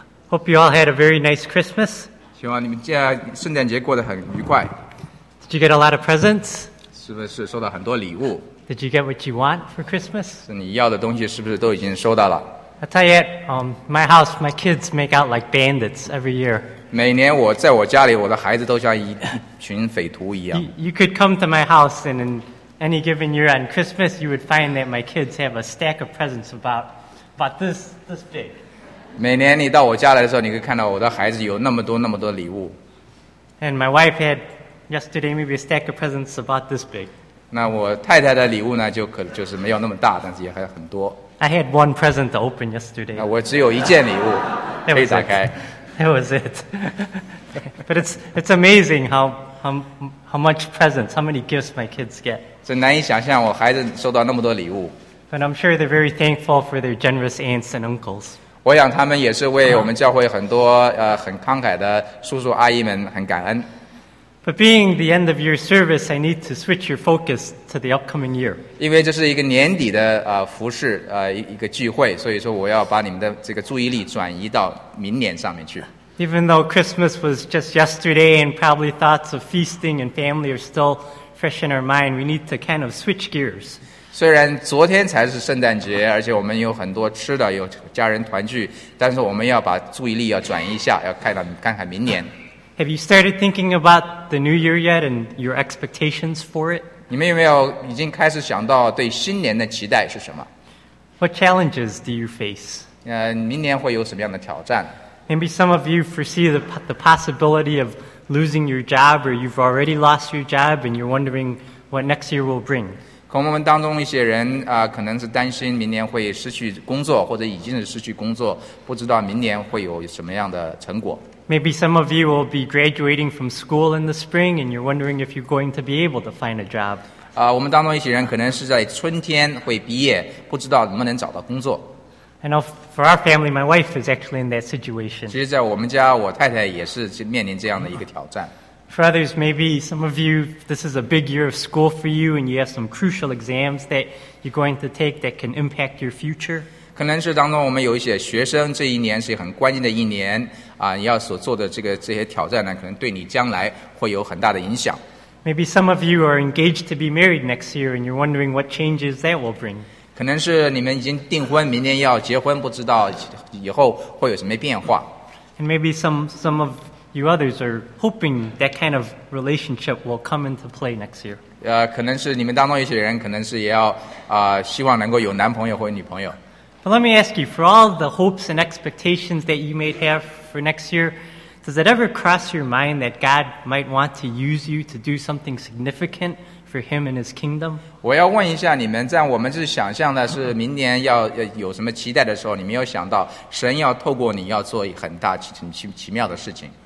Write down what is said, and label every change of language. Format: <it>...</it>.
<en>Hope you all had a very nice Christmas.</en> <zh>希望你们这圣诞节过得很愉快。</zh> <en>Did you get a lot of presents?</en> <zh>是不是收到很多礼物？</zh> <en>Did you get what you want for Christmas?</en> <zh>是你要的东西是不是都已经收到了？</zh> <en>I tell you, my house, my kids make out like bandits every year.</en> <zh>每年我在我家里，我的孩子都像一群匪徒一样。</zh> <en>You could come to my house, and in any given year on Christmas, you would find that my kids have a stack of presents about this big.</en> <zh>每年你到我家来的时候，你可以看到我的孩子有那么多那么多礼物。</zh> <en>And my wife had yesterday maybe a stack of presents about this big.</en> <zh>那我太太的礼物呢，就是没有那么大，但是也还很多。</zh> <en>I had one present to open yesterday.</en> <zh>那我只有一件礼物可以打开。</zh> <en>That was it. But it's amazing how much presents, how many gifts my kids get.</en> <zh>真难以想象我孩子收到那么多礼物。</zh> <en>But I'm sure they're very thankful for their generous aunts and uncles.</en> <zh>我想他们也是为我们教会很多很慷慨的叔叔阿姨们很感恩。</zh> <en>But being the end of year service, I need to switch your focus to the upcoming year.</en> <zh>因为这是一个年底的服事一个聚会，所以说我要把你们的这个注意力转移到明年上面去。</zh> <en>Even though Christmas was just yesterday, and probably thoughts of feasting and family are still fresh in our mind, we need to kind of switch gears.</en> <zh>虽然昨天才是圣诞节，而且我们有很多吃的，有家人团聚，但是我们要把注意力要转移一下，要看看明年。</zh> <en>Have you started thinking about the new year yet and your expectations for it?</en> <zh>你们有没有已经开始想到对新年的期待是什么？</zh> <en>What challenges do you face?</en> <zh>明年会有什么样的挑战？</zh> <en>Maybe some of you foresee the possibility of losing your job, or you've already lost your job and you're wondering what next year will bring.</en> <zh>恐我们当中一些人可能是担心明年会失去工作，或者已经是失去工作，不知道明年会有什么样的成果。</zh> <en>Maybe some of you will be graduating from school in the spring, and you're wondering if you're going to be able to find a job.</en> <zh>我们当中一些人可能是在春天会毕业，不知道能不能找到工作。</zh> <en>I know for our family, my wife is actually in that situation.</en> <zh>其实，在我们家，我太太也是面临这样的一个挑战。</zh> <en>For others, maybe some of you, this is a big year of school for you, and you have some crucial exams that you're going to take that can impact your future.</en> <zh>可能是当中我们有一些学生，这一年是很关键的一年你要所做的这些挑战呢，可能对你将来会有很大的影响。</zh> <en>Maybe some of you are engaged to be married next year, and you're wondering what changes that will bring.</en> <zh>可能是你们已经订婚，明年要结婚，不知道以后会有什么变化。</zh> <en>And maybe some of you others are hoping that kind of relationship will come into play next year.</en> <zh>可能是你们当中一些人可能是也要希望能够有男朋友或女朋友。</zh> <en>But let me ask you, for all the hopes and expectations that you may have for next year, does it ever cross your mind that God might want to use you to do something significant for him and his kingdom?</en> <zh>我要问一下你们，在我们是想象的是明年要有什么期待的时候，你没有想到神要透过你要做很大奇妙的事情。</zh>